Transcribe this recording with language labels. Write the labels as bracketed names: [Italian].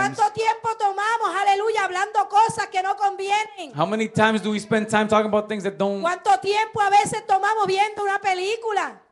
[Spanish] ¿Cuánto tiempo tomamos, aleluya, hablando cosas que no convienen? [English] How many times do we spend time talking about things that don't? [Spanish] ¿Cuánto tiempo a veces tomamos viendo una película?